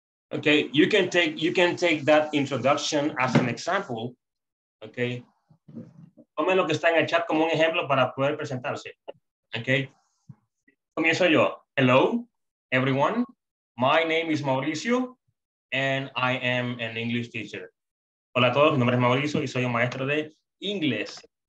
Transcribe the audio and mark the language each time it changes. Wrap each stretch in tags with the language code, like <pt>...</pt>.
<en>Okay, you can take that introduction as an example. Okay.</en> <es>Tomen lo que está en el chat como un ejemplo para poder presentarse.</es> <en>Okay. Comienzo yo. Hello, everyone. My name is Mauricio, and I am an English teacher.</en> <es>Hola a todos, mi nombre es Mauricio y soy un maestro de inglés.</es>